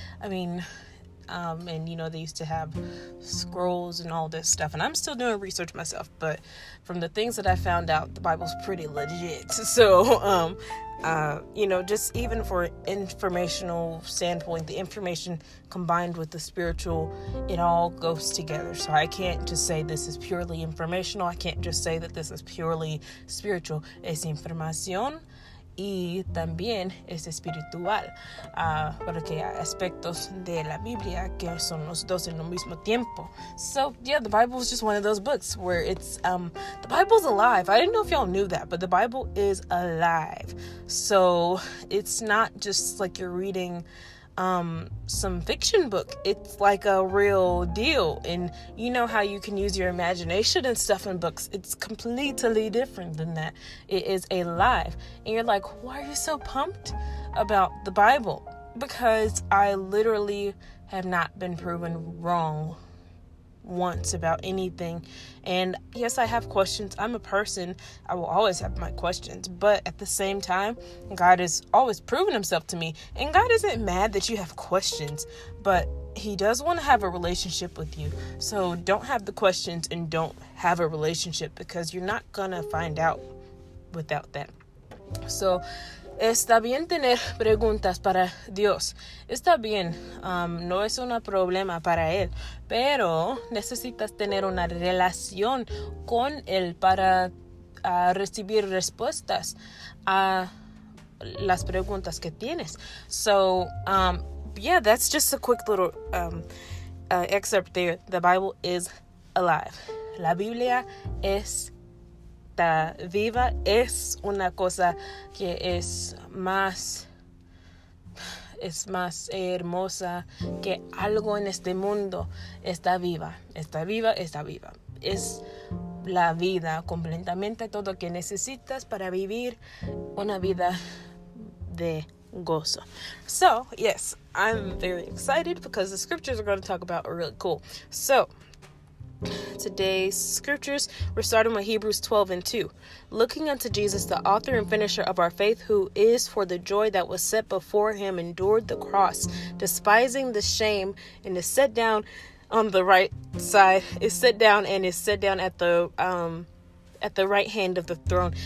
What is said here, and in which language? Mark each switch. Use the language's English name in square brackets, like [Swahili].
[English] I mean, and you know, they used to have scrolls and all this stuff, and I'm still doing research myself, but from the things that I found out, the Bible's pretty legit. So you know, just even for informational standpoint, the information combined with the spiritual, it all goes together. So I can't just say this is purely informational. I can't just say that this is purely spiritual. [Spanish] Es información y también es espiritual, porque hay aspectos de la Biblia que son los dos en el mismo tiempo. [English] So yeah, the Bible is just one of those books where it's the Bible's alive. I didn't know if y'all knew that, but the Bible is alive. So it's not just like you're reading some fiction book. It's like a real deal. And you know how you can use your imagination and stuff in books. It's completely different than that. It is alive. And you're like, why are you so pumped about the Bible? Because I literally have not been proven wrong once about anything. And yes, I have questions. I'm a person. I will always have my questions. But at the same time, God has always proven himself to me. And God isn't mad that you have questions, but he does want to have a relationship with you. So don't have the questions and don't have a relationship, because you're not gonna find out without that. [Spanish] So está bien tener preguntas para Dios. Está bien. No es un problema para él. Pero necesitas tener una relación con él para recibir respuestas a las preguntas que tienes. [English] So, yeah, that's just a quick little excerpt there. The Bible is alive. [Spanish] La Biblia es viva, es una cosa que es más hermosa que algo en este mundo. Está viva. Es la vida completamente, todo lo que necesitas para vivir una vida de gozo. [English] So, yes, I'm very excited because the scriptures we're going to talk about are really cool. So, today's scriptures, we're starting with Hebrews 12 and 2. Looking unto Jesus, the author and finisher of our faith, who is for the joy that was set before him, endured the cross, despising the shame, and is set down on the right side, at the right hand of the throne.